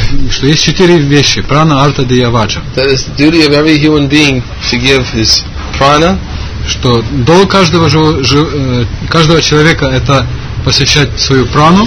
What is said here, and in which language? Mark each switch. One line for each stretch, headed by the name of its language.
Russian: Что есть четыре вещи: прана, арта, дия, вача.
English: That is the duty of every human being to give his prana.
Russian: Что долг каждого человека это посвящать свою прану.